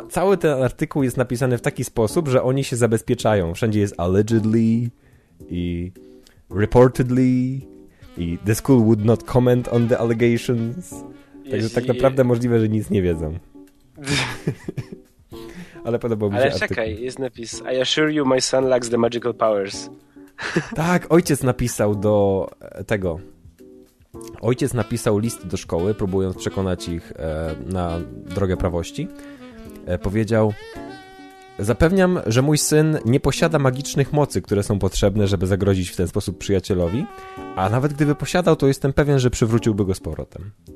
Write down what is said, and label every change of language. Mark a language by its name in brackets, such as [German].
[Polish] Cały ten artykuł jest napisany w taki sposób, że oni się zabezpieczają. Wszędzie jest allegedly i reportedly i [English] the school would not comment on the allegations. [Polish] Także tak naprawdę możliwe, że nic nie wiedzą. Ale podobał mi się artykuł. Ale czekaj, jest napis. [English] I assure you my son lacks the magical powers. [Polish] Tak, ojciec napisał do tego. Ojciec napisał list do szkoły, próbując przekonać ich na drogę prawości. Powiedział: zapewniam, że mój syn nie posiada magicznych mocy, które są potrzebne, żeby zagrozić w ten sposób przyjacielowi, a nawet gdyby posiadał, to jestem pewien, że przywróciłby go z powrotem.